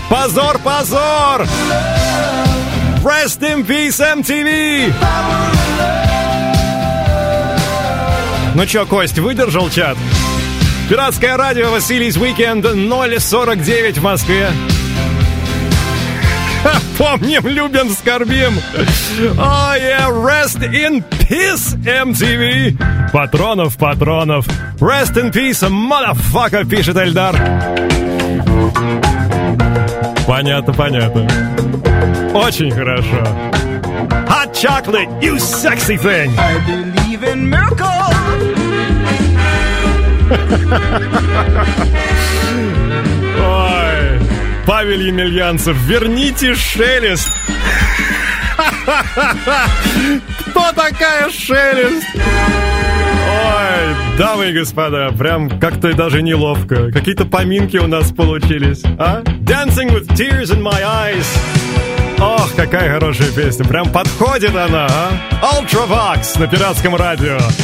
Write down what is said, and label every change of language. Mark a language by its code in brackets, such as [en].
[ru] Позор, позор! [en] Rest in peace, MTV! [ru] Ну чё, Кость, выдержал чат? Пиратское радио, Василий's Weekend, 0.49 в Москве. Ха, помним, любим, скорбим. [en] Oh yeah, rest in peace, MTV. [ru] Патронов, патронов. [en] Rest in peace, motherfucker, [ru] пишет Эльдар. Понятно, понятно. Очень хорошо. [en] Hot chocolate, you sexy thing. I believe in miracles. [ru] Ой, Павел Емельянцев, верните Шелест. Кто такая Шелест? Ой, дамы и господа, прям как-то даже неловко. Какие-то поминки у нас получились, а? [en] Dancing with tears in my eyes. [ru] Ох, какая хорошая песня, прям подходит она, а? Ultravox на пиратском радио.